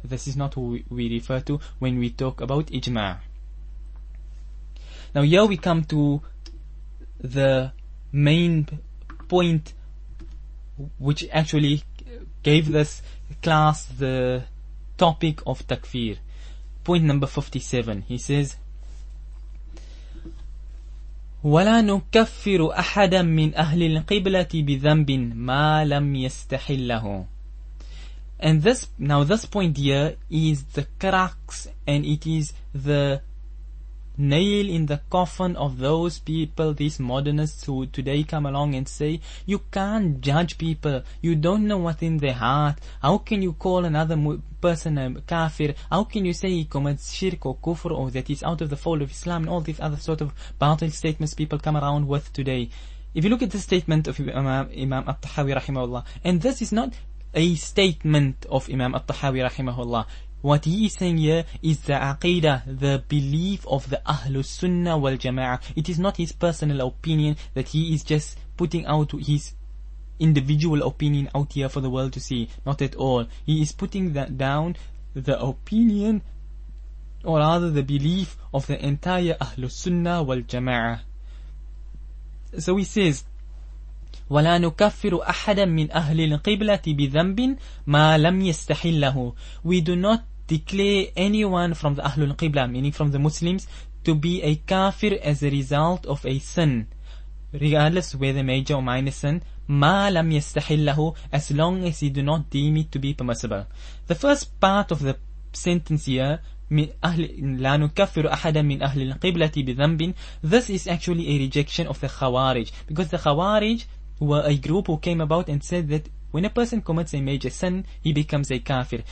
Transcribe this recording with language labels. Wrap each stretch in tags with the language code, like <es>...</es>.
<en>This is not who we refer to when we talk about ijma'. Now here we come to the main point which actually gave this class the topic of takfir. Point number 57.</en> <ar>He says, وَلَا نُكَفِّرُ أَحَدًا مِّنْ أَهْلِ الْقِبْلَةِ بِذَنْبٍ مَا لَمْ يَسْتَحِلَّهُ.</ar> <en>And this point here is the crux, and it is the nail in the coffin of those people, these modernists who today come along and say, you can't judge people, you don't know what's in their heart, how can you call another person a kafir, how can you say he commits shirk or kufr, or that he's out of the fold of Islam, and all these other sort of battle statements people come around with today. If you look at the statement of Imam At-Tahawi rahimahullah, and this is not a statement of Imam At-Tahawi rahimahullah. What he is saying here is the aqidah, the belief of the Ahlus Sunnah wal Jama'ah. It is not his personal opinion that he is just putting out his individual opinion out here for the world to see. Not at all. He is putting that down, the opinion, or rather the belief of the entire Ahlus Sunnah wal Jama'ah.</en> <ar>So he says, وَلَا نُكَفِّرُ أَحَدًا مِّنْ أَهْلِ الْقِبْلَةِ بِذَنْبٍ مَا لَمْ يَسْتَحِلَّهُ.</ar> <en>We do not declare anyone from the Ahlul Qibla, meaning from the Muslims, to be a kafir as a result of a sin, regardless whether major or minor sin,</en> <ar>مَا لَمْ يَسْتَحِلَّهُ,</ar> <en>as long as he do not deem it to be permissible. The first part of the sentence here,</en> <ar>لَا نُكَفِّرُ أَحَدًا مِّنْ أَهْلِ الْقِبْلَةِ بِذَنْبٍ,</ar> <en>this is actually a rejection of the Khawarij, because the Khawarij were a group who came about and said that when a person commits a major sin, he becomes a kafir.</en>